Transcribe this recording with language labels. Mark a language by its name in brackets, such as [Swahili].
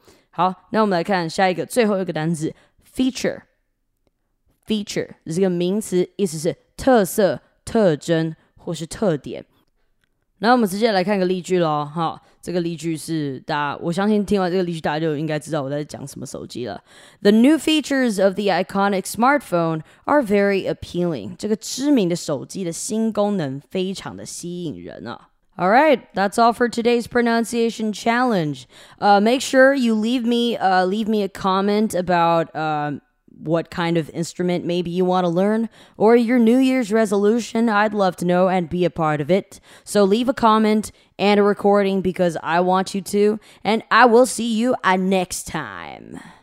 [Chinese] 好，那我们来看下一个最后一个单字 feature。 Feature 这个名词意思是特色、特征或是特点。那我们直接来看个例句咯，好，这个例句是大家，我相信听完这个例句大家就应该知道我在讲什么手机了。 [English] The new features of the iconic smartphone are very appealing. [Chinese] 这个知名的手机的新功能非常的吸引人啊。 [English] Alright, that's all for today's pronunciation challenge. Make sure you leave me a comment about... What kind of instrument maybe you want to learn, or your New Year's resolution, I'd love to know and be a part of it. So leave a comment and a recording because I want you to, and I will see you next time.